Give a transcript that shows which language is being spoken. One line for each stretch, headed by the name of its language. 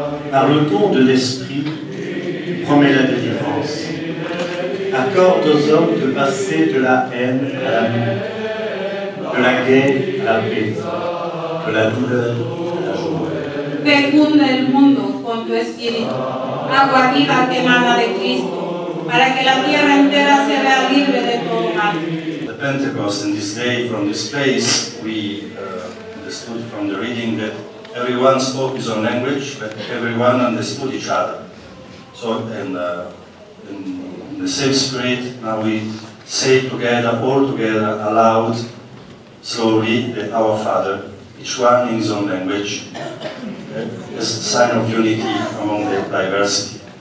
French: Par le don de l'Esprit, tu promets la délivrance. Accorde aux hommes de passer de la haine à l'amour, de la guerre à la paix, de la douleur à la joie.
Spanish: Fécunde el mundo con tu espíritu, agua viva que emana de Cristo, para que la tierra entera se vea libre de todo mal.
English: Pentecost, and this day from this place, we understood from the reading that everyone spoke his own language, but everyone understood each other. So, in the same spirit, now we say together, all together, aloud, slowly, that Our Father, each one in his own language, as a sign of unity among the diversity.